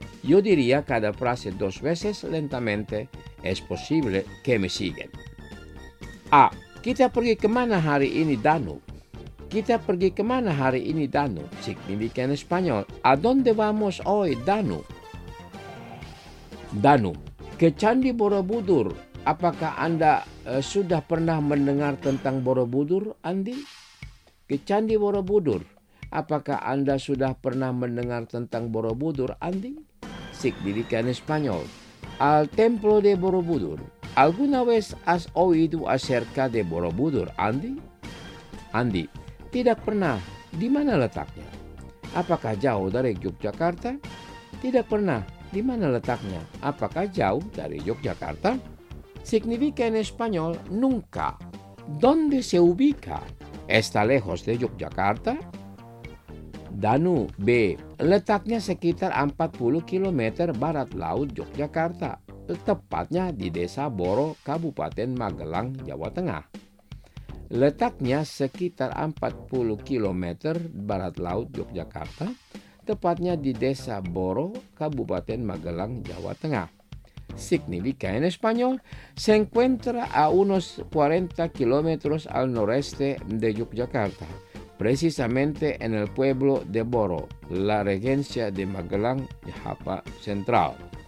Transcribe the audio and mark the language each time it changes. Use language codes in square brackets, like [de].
[es] Yo diría cada frase dos veces lentamente. Es posible que me siguen. A. [id] ¿Kita pergi kemana hari ini, Danu? ¿Kita pergi kemana hari ini, Danu? [es] Significa en español, ¿a dónde vamos hoy, Danu? [id] Danu. Ke Candi Borobudur. Apakah Anda sudah pernah mendengar tentang Borobudur, Andi? Ke Candi Borobudur. Apakah Anda sudah pernah mendengar tentang Borobudur, Andi? [es] Significa en español. Al Templo de Borobudur. ¿Alguna vez has oído acerca de Borobudur, Andi? [id] Andi. Tidak pernah. Di mana letaknya? Apakah jauh dari Yogyakarta? Tidak pernah. Di mana letaknya? Apakah jauh dari Yogyakarta? [es] Significa en español nunca. ¿Dónde se ubica? ¿Está lejos de Yogyakarta? Danu B. [id] Letaknya sekitar 40 km barat laut Yogyakarta. Tepatnya di Desa Boro, Kabupaten Magelang, Jawa Tengah. Letaknya sekitar 40 km barat laut Yogyakarta. Tepatnya di Desa Boro, Kabupaten Magelang, Jawa Tengah. [es] Significa en español, se encuentra a unos 40 kilómetros al noreste de Yogyakarta, precisamente en el pueblo de Boro, la regencia de Magelang, Java Central.